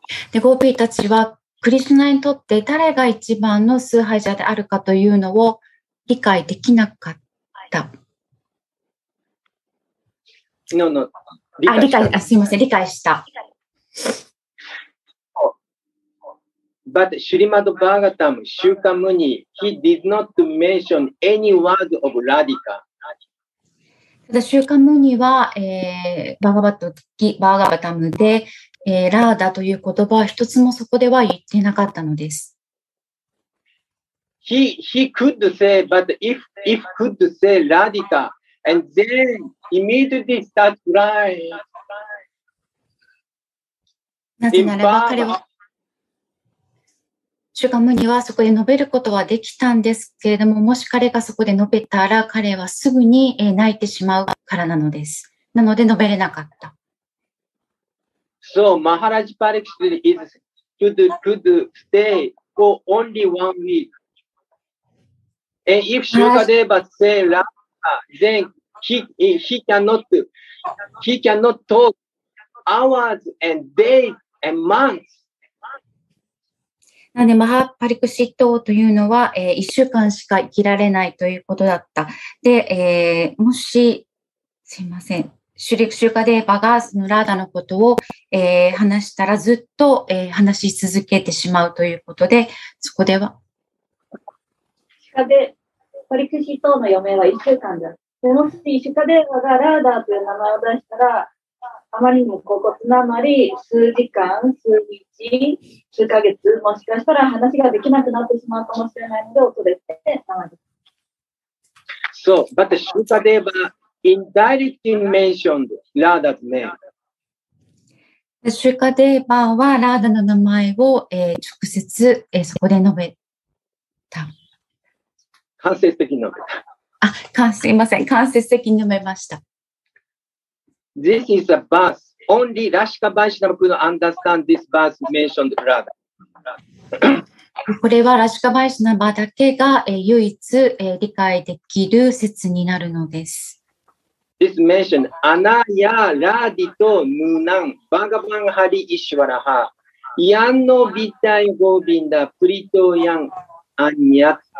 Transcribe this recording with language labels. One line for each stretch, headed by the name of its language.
Japanese: でゴーピーたちはクリシュナにとって誰が一番の崇拝者であるかというのを理解できなかった。
English: No, no.
Japanese: 理解すいません、理解した。
English: But Srimad Bhagavatam, Shuka Muni, he did not mention any word of Radhika.
Japanese: ただ、Shuka Muni は、バーガバタムで、ラーダという言葉は一つもそこでは言ってなかったのです。
English: He could say, but if could say Radhika,And then immediately start crying.
Japanese: なぜならば彼は、シュガムニはそこで述べることはできたんですけれども、もし彼がそこで述べたら、彼はすぐに泣いてしまうからなのです。なので述べれなかった。
English: So Maharaj Pariksit is could stay for only one week. And if Shukadeva say Radha, then He cannot talk hours and days and months.
Japanese: なんでマハパリクシットというのは、1週間しか生きられないということだった。で、もし、すいません、シュリクシュカデーバがそのラーダのことを、話したらずっと、話し続けてしまうということで、そこでは。シュカデーパリクシットの余命は1週間だ。もしシュカデーバがラーダーという名前を出したら、あまりにも高骨なあまり、数時間、数日、数ヶ月、もしかしたら話ができなくなってしまうかもしれないので、恐れて名前です。
English: So, but シュカデーバ indirectly mentioned ラーダーズ name.
Japanese: シュカデーバはラーダーの名前を、直接、そこで述べた。間接的に述べた。すいません、間接的に読めました。
English: This is a verse. Only Rashika Vaishnava could understand this verse mentioned Radha.
Japanese: これはラシカバイシナバだけが、唯一、理解できる説になるのです。
English: This mention
Sanskrit: Anaya Radito Nunan Bhagavan Hari Ishwaraha Yanno Vitai Govinda Prito Yan Anyatraha.